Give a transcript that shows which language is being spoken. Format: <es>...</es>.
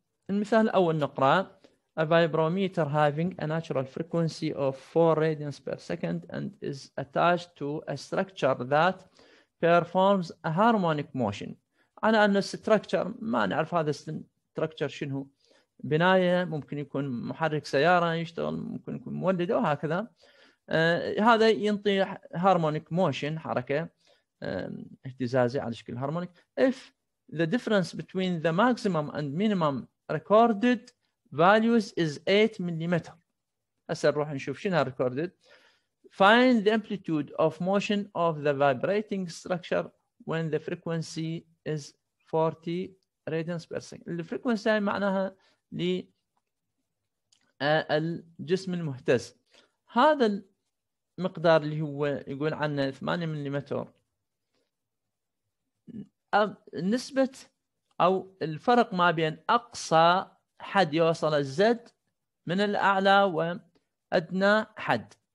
<ar>المثال الأول نقرأ:</ar> <en>A vibrometer having a natural frequency of 4 radians per second and is attached to a structure that performs a harmonic motion.</en> <ar>على أن الستركتشر ما نعرف هذا الستركتشر شنو، بناية ممكن يكون محرك سيارة يشتغل ممكن يكون مولد وهكذا، هذا ينطي هارمونيك موشن حركة اهتزازي على شكل هارمونيك.</ar> <en>If the difference between the maximum and minimum recorded values is 8 millimeter.</en> <ar>هسه نروح نشوف شنو recorded.</ar> <en>Find the amplitude of motion of the vibrating structure when the frequency is 40 radians per second.</en> <ar>الفريكونسي هاي معناها للجسم المهتز. هذا المقدار اللي هو يقول عنه 8 مليمتر، نسبة أو الفرق ما بين أقصى حد يوصل الزد من الأعلى وأدنى حد.</ar>